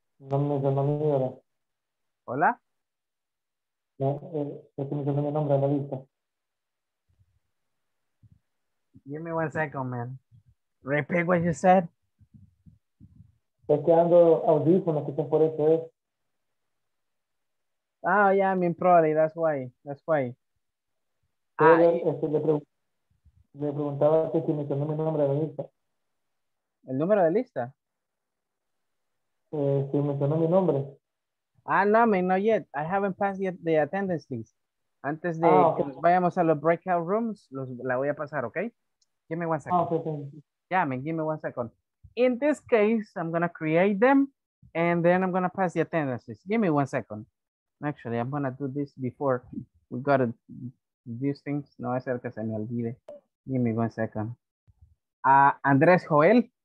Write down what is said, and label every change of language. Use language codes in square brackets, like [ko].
[en] Hola? Give me 1 second, man. Repeat what you said. [es] Estoy quedando audífonos que son por eso. [en] Oh, yeah, I mean, probably, that's why, that's why. [es] Pero, le preguntaba que si me cambió mi nombre a la lista. ¿El número de lista? Si me cambió mi nombre. [en] Ah, no, man, not yet. I haven't passed yet the attendance list. [es] Antes de que nos vayamos a los breakout rooms, la voy a pasar, ¿ok? [en] Give me one second. Yeah, man, give me one second. In this case, I'm going to create them, and then I'm going to pass the attendance list. Give me one second. Actually, I'm going to do this before we got to these things. [es] No, es el que se me olvide. [en] Give me one second. [es] Andrés Joel.